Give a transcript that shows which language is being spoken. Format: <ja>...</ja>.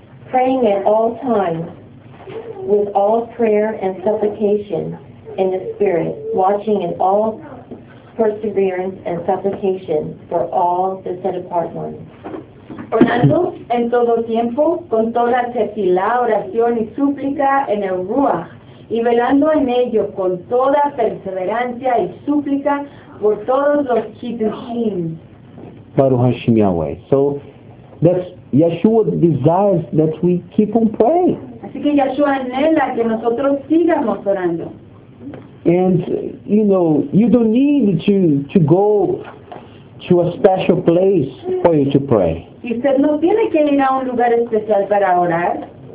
<en>Praying at all times, with all prayer and supplication in the Spirit, watching in all perseverance and supplication for all the set apart ones.</en> <es>Orando en todo tiempo, con toda tefilá, oración y súplica en el Ruach, y velando en ello con toda perseverancia y súplica por todos los kiddushim.</es> <he>Baruch Hashem Yahweh.</he> <en>So, that's Yeshua desires that we keep on praying.</en> <es>Así que Yeshua anhela que nosotros sigamos orando.</es> <en>And, you know, you don't need to go to a special place for you to pray.</en> <es>Y usted no tiene que ir a un lugar especial para orar.</es>